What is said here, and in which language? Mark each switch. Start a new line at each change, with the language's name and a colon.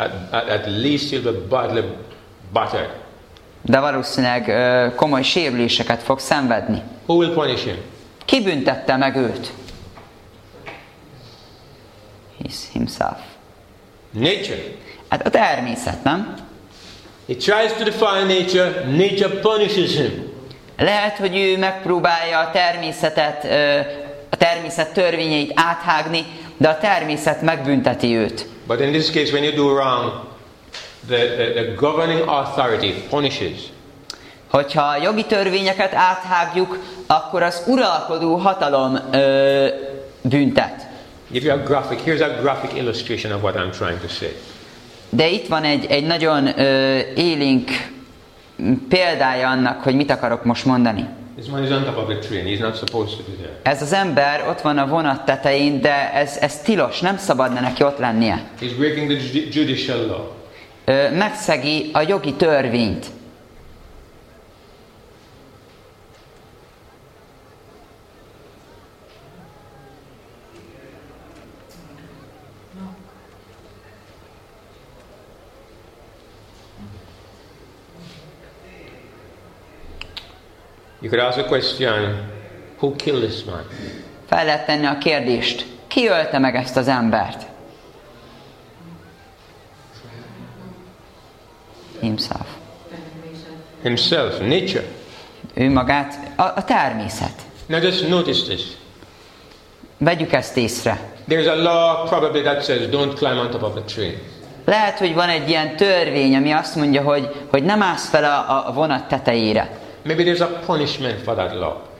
English: At least he'll be badly battered.
Hungarian: De valószínűleg komoly sérüléseket fog szenvedni.
English: Who will punish him?
Hungarian: Ki büntette meg őt?
English: Himself. Nature.
Hungarian: Hát a természet, nem?
English: He tries to defy nature. Nature punishes him.
Hungarian: Lehet, hogy ő megpróbálja a természetet, a természet törvényeit áthágni, de a természet megbünteti őt.
English: But in this case, when you do wrong, the governing authority punishes.
Hungarian: Hogyha a jogi törvényeket áthágjuk, akkor az uralkodó hatalom büntet.
English: Give you a graphic. Here's a graphic illustration of what I'm trying to say.
Hungarian: De itt van egy nagyon élénk példája annak, hogy mit akarok most mondani.
English: This man is on top of the train. He's not supposed to be there.
Hungarian: Ez az ember ott van a vonat tetején, de ez tilos, nem szabadna neki ott lennie.
English: He's breaking the judicial law.
Hungarian: Megszegi a jogi törvényt.
English: You could ask a question, who killed this man?
Hungarian: Fel lehet tenni a kérdést, ki ölte meg ezt az embert?
English: Himself. Himself, nature.
Hungarian: Ő magát, a természet.
English: Now just notice this.
Hungarian: Vegyük ezt észre.
English: There's a law probably that says don't climb on top of a tree.
Hungarian: Lehet, hogy van egy ilyen törvény, ami azt mondja, hogy nem állsz fel a vonat tetejére.
English: Maybe there's a punishment for that law.